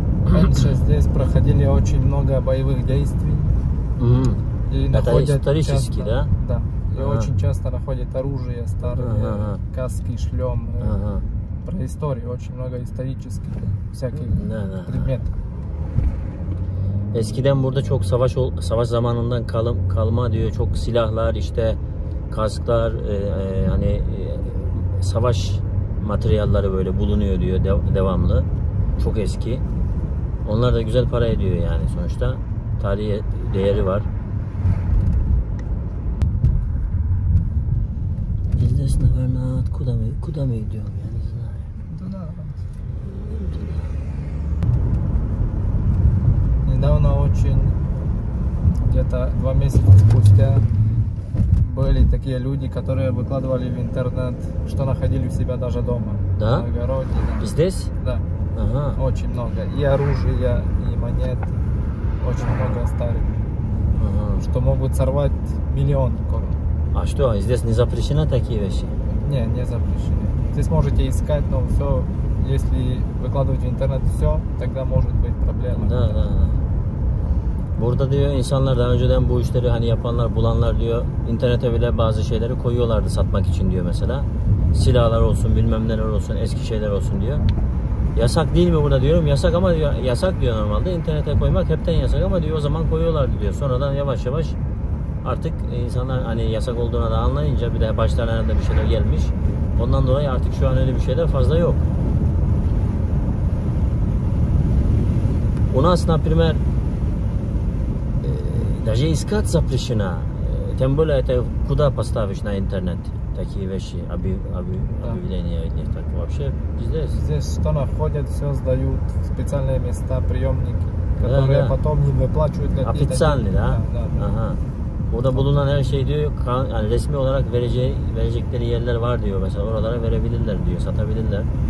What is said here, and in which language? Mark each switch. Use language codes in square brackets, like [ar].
[ru] Раньше здесь проходили очень много боевых действий. Это исторически, да? Да. И очень часто находят оружие старые, каски, шлемы. Про историю очень много исторических всяких предметов. [tr] Eskiden burada çok savaş savaş zamanından kalma diyor, çok silahlar işte, kasklar, hani savaş materyalleri böyle bulunuyor diyor devamlı. Çok eski. Onlar da güzel para ediyor yani sonuçta. Tarihi değeri var. Dildes nevernat kudami diyorum yani. [ru] Недавно очень, где-то два месяца спустя, были такие люди, которые выкладывали в интернет, что находили у себя даже дома. Да? В огороде. Здесь? Да. Ага. Очень много. И оружия, и монет. Очень много старых. Ага. Что могут сорвать миллион корон. А что, здесь не запрещены такие вещи? Нет, не запрещены. Вы сможете искать, но все, если выкладывать в интернет все, тогда может быть проблема. Да, да. [tr] Burada diyor insanlar daha önceden bu işleri hani yapanlar, bulanlar diyor internete bile bazı şeyleri koyuyorlardı satmak için diyor mesela. Silahlar olsun, bilmem neler olsun, eski şeyler olsun diyor. Yasak değil mi burada diyorum. Yasak ama diyor, yasak diyor normalde. İnternete koymak hepten yasak ama diyor o zaman koyuyorlardı diyor. Sonradan yavaş yavaş artık insanlar hani yasak olduğuna da anlayınca bir de başlarına da bir şeyler gelmiş. Ondan dolayı artık şu an öyle bir şeyler fazla yok. Una aslında primer [ru] даже искать запрещено. Тем более это куда поставишь на интернет такие вещи, объявления и так вообще здесь. Здесь что находят, все сдают в специальные места, приемники, которые потом не выплачивают. Официальный, да? Да, да. Ага. [tr] Burada bulunan her şey diyor, yani resmi olarak verecekleri yerler var diyor. Mesela oralara verebilirler diyor, satabilirler.